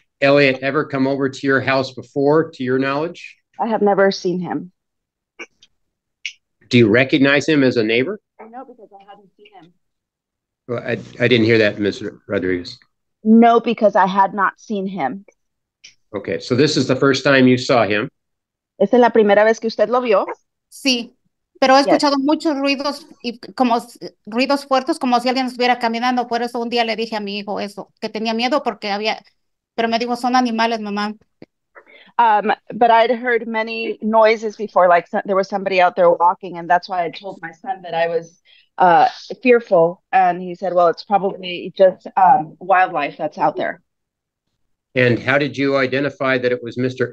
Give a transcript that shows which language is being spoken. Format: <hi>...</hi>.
<en>Elliott ever come over to your house before, to your knowledge? I have never seen him. Do you recognize him as a neighbor? No, because I hadn't seen him. Well, I didn't hear that, Ms. Rodriguez. No, because I had not seen him. Okay, so this is the first time you saw him.</en> <es>¿Esta es la primera vez que usted lo vio? Sí, pero he escuchado yes. muchos ruidos, y como ruidos fuertes, como si alguien estuviera caminando. Por eso un día le dije a mi hijo eso, que tenía miedo porque había, pero me dijo, son animales, mamá.</es> <en>But I'd heard many noises before, like there was somebody out there walking, and that's why I told my son that I was fearful. And he said, well, it's probably just wildlife that's out there. And how did you identify that it was Mr.</en>